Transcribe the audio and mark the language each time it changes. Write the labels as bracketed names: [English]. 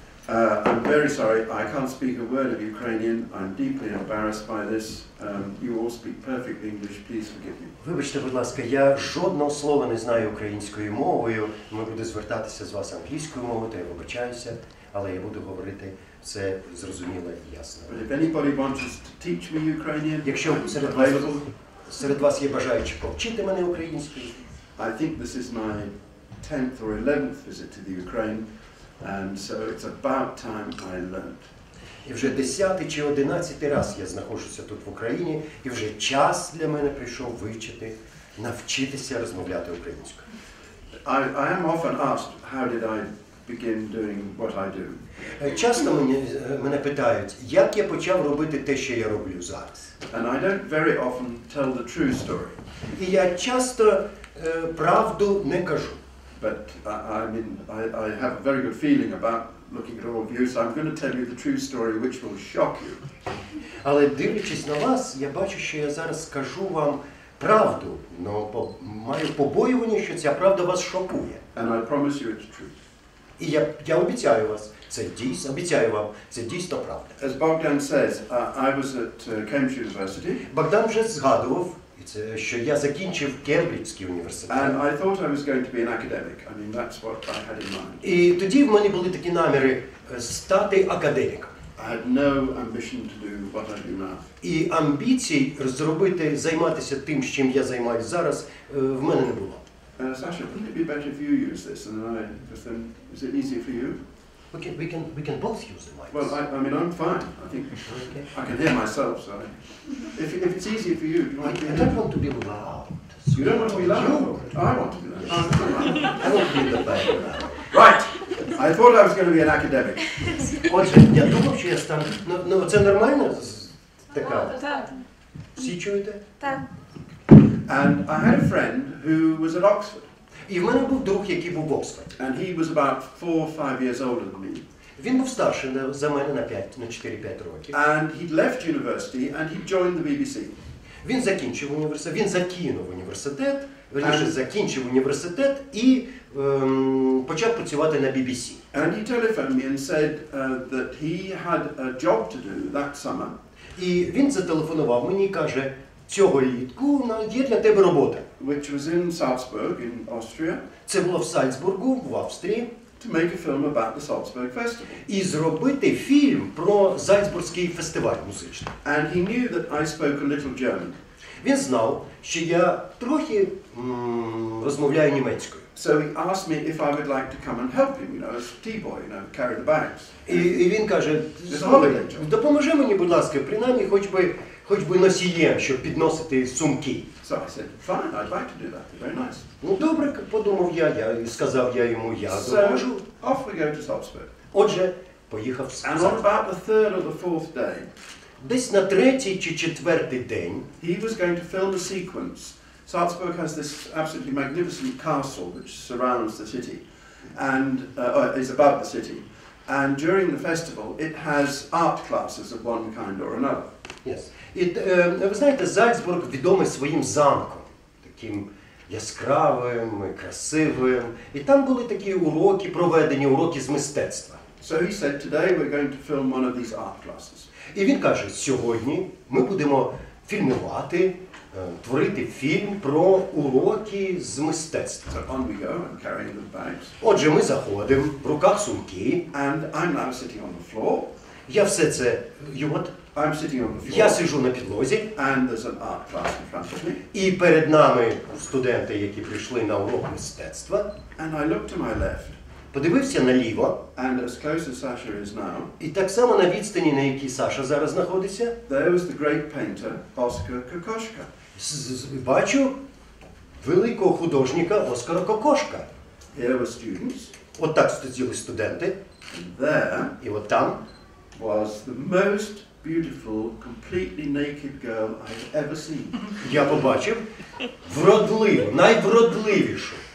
[English] I'm very sorry, I can't speak a word of Ukrainian. I'm deeply embarrassed by this. You all speak perfect English, please forgive me. [Ukrainian] Вибачте, будь ласка, я жодного слова не знаю українською мовою. Ми буду звертатися з вас англійською мовою, то я вибачаюся, але я буду говорити все зрозуміло і ясно. [English] But if anybody wants to teach me Ukrainian, [Ukrainian] якщо серед вас є бажаючі повчити мене українською. [English] I think this is my 10th or 11th visit to the Ukraine. And so it's about time I learned. [Ukrainian] І вже 10-й чи 11-й раз я знаходжуся тут в Україні, і вже час для мене прийшов вивчити, навчитися розмовляти українською. [English] I am often asked, how did I begin doing what I do? [Ukrainian] Часто мене питають, як я почав робити те, що я роблю зараз? [English] And I don't very often tell the true story. [Ukrainian] І я часто правду не кажу. [English] But I have a very good feeling about looking at all of you, so I'm going to tell you the true story, which will shock you. [Ukrainian] Але дивлячись на вас, я бачу, що я зараз скажу вам правду, но маю побоювання, що ця правда вас шокує. [English] And I promise you it's true. [Ukrainian] І я обіцяю вас, це дійсно, обіцяю вам, це дійсно правда. [English] As Bogdan says, I was at Cambridge University. [Ukrainian] Богдан вже згадував, що я закінчив Кембриджський університет. [English] And I thought I was going to be an academic. I mean, that's what I had in mind. [Ukrainian] І тоді в мене були такі наміри стати академіком. [English] I had no ambition to do what I do now. [Ukrainian] І амбіцій зробити, займатися тим, чим я займаюся зараз, в мене не було. [English] Саша, wouldn't it be better if you use this and I just then, is it easier for you? We can both use the mics. Well, I mean, I'm fine. I think okay. I can hear myself, so. If it's easier for you, do you want to be loud? I don't want to be loud. So you don't want to be loud? I want to be loud. I want to be the background loud. Right! I thought I was going to be an academic. [Ukrainian] Отже, я думав, що я стану... Ну, це нормально? Так. Всі чуєте? Так. [English] And I had a friend who was at Oxford. [Ukrainian] І в мене був друг, який був в Оксфорді. [English] And he was about 4 or 5 years older than me. [Ukrainian] Він був старший за мене на 4-5 років. [English] And he'd left university and he'd joined the BBC. [Ukrainian] Він закінчив університет, він закінув університет, вірніше, закінчив університет і почав працювати на BBC. [English] And he telephoned me and said that he had a job to do that summer. [Ukrainian] І він зателефонував мені і каже: "Цього літку є для тебе робота." [English] Which was in Salzburg in Austria. [Ukrainian] Це було в Сальцбургу, в Австрії. [English] To make a film about the Salzburg Festival. [Ukrainian] І зробити фільм про Зальцбурзький фестиваль музичний. [English] And he knew that I spoke a little German. [Ukrainian] Він знав, що я трохи розмовляю німецькою. [English] So he asked me if I would like to come and help him, you know, as tea boy, you know, carry the bags. [Ukrainian] І він каже: "Допоможи мені, будь ласка, принаймні хоч би носієм, щоб підносити сумки." [English] So I said, fine, I'd like to do that. Very nice. [Ukrainian] Ну, добре, подумав я і сказав я йому, я допоможу. [English] Off we go to Salzburg. [Ukrainian] Отже, поїхав в Salzburg. [English] And on about the third or the fourth day. [Ukrainian] Десь на третій чи четвертий день. [English] He was going to film a sequence. Salzburg has this absolutely magnificent castle which surrounds the city. And, is about the city. And during the festival, it has art classes of one kind or another. Yes. [Ukrainian] І ви знаєте, Зальцбург відомий своїм замком, таким яскравим і красивим. І там були такі уроки, проведені уроки з мистецтва. [English] So he said, today we're going to film one of these art classes. [Ukrainian] І він каже, сьогодні ми будемо фільмувати, творити фільм про уроки з мистецтва. [English] So on we go, I'm carrying the bags. [Ukrainian] Отже, ми заходимо, в руках сумки. [English] And I'm now sitting on the floor. [Ukrainian] Я все це... [English] I'm sitting on the floor. [Ukrainian] Я сижу на підлозі. [English] And there's an art class in front of me. [Ukrainian] І перед нами студенти, які прийшли на урок мистецтва. [English] And I look to my left. [Ukrainian] Подивився наліво. [English] And as close as Sasha is now. [Ukrainian] І так само на відстані, на якій Саша зараз знаходиться. [English] There was the great painter Oscar Kokoschka. [Ukrainian] Бачу великого художника Оскара Кокошка. [English] Here were students. [Ukrainian] От так сиділи студенти. [English] And there. [Ukrainian] І от там. [English] Was the most beautiful, completely naked girl I've ever seen. [Ukrainian] Я побачив вродливу, найвродливішу.